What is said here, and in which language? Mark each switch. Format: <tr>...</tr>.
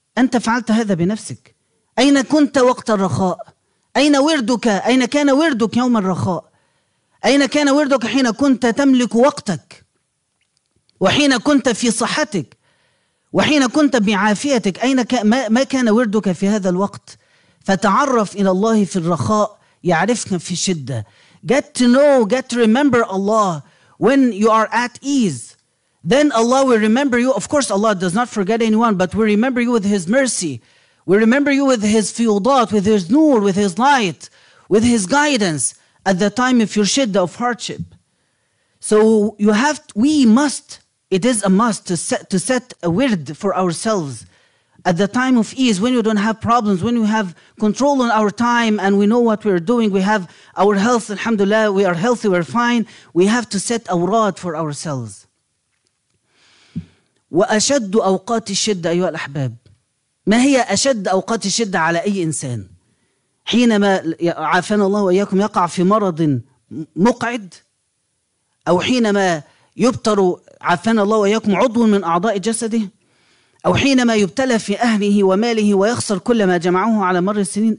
<ar>أنت فعلت هذا بنفسك. أين كنت وقت الرخاء؟ أين وردك؟ أين كان وردك يوم الرخاء؟ أين كان وردك حين كنت تملك وقتك؟ وحين كنت في صحتك؟ وحين كنت بعافيتك؟ أين ما كان وردك في هذا الوقت؟ فتعرف إلى الله في الرخاء يعرفك في الشدة.</ar> <en>Get to know, get to remember Allah when you are at ease. Then Allah will remember you. Of course, Allah does not forget anyone, but will remember you with His mercy. We remember you with His fiyudat, with His nur, with His light, with His guidance at the time of your shiddah, of hardship. So you have, it is a must to set a wird for ourselves at the time of ease, when you don't have problems, when we have control on our time and we know what we're doing, we have our health, alhamdulillah, we are healthy, we're fine. We have to set awrad for ourselves.</en> <ar>وأشد أوقات الشدة أيها الأحباب، ما هي أشد أوقات الشدة على أي إنسان؟ حينما عافانا الله وإياكم يقع في مرض مقعد، أو حينما يبتر عافانا الله وإياكم عضو من أعضاء جسده، أو حينما يبتلى في أهله وماله ويخسر كل ما جمعه على مر السنين.</ar>